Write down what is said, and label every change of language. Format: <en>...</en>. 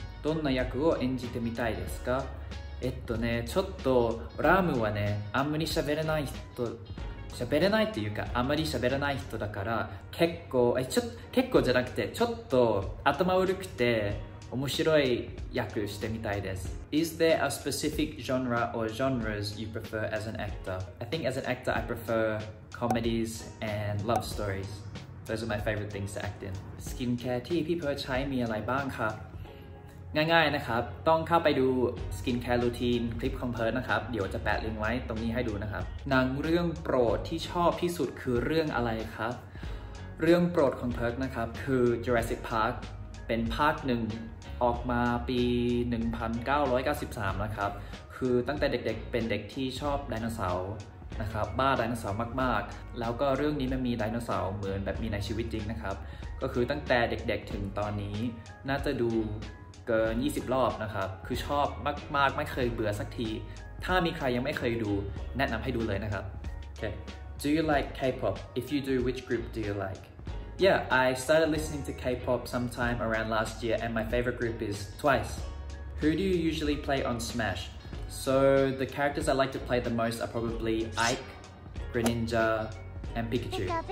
<ja>どんな役を演じてみたいですか？ちょっとラームはね、あんまり喋れないっていうか、あんまり喋らない人だから、結構じゃなくて、ちょっと頭悪くて、面白い役してみたいです。</ja> <en>Is there a specific genre or genres you prefer as an actor? I think as an actor, I prefer comedies and love stories. Those are my favorite things to act in.</en> <th>สกินแคร์ที่พี่เพิร์ชใช้มีอะไรบ้างครับง่ายๆนะครับต้องเข้าไปดูสกินแคร์รูทีนคลิปของเพิร์ชนะครับเดี๋ยวจะแปะลิงก์ไว้ตรงนี้ให้ดูนะครับหนังเรื่องโปรดที่ชอบที่สุดคือเรื่องอะไรครับเรื่องโปรดของเพิร์ชนะครับคือ Jurassic Parkเป็นภาคหนึ่งออกมาปี 1993นะครับคือตั้งแต่เด็กๆเป็นเด็กที่ชอบไดโนเสาร์นะครับบ้าไดโนเสาร์มากๆแล้วก็เรื่องนี้มันมีไดโนเสาร์เหมือนแบบมีในชีวิตจริงนะครับก็คือตั้งแต่เด็กๆถึงตอนนี้น่าจะดูเกิน20รอบนะครับคือชอบมากๆไม่เคยเบื่อสักทีถ้ามีใครยังไม่เคยดูแนะนำให้ดูเลยนะครับ</th> <en>โอเค Do you like K-pop? If you do, which group do you likeYeah, I started listening to K-pop sometime around last year and my favorite group is Twice. Who do you usually play on Smash? So the characters I like to play the most are probably Ike, Greninja, and Pikachu.</en>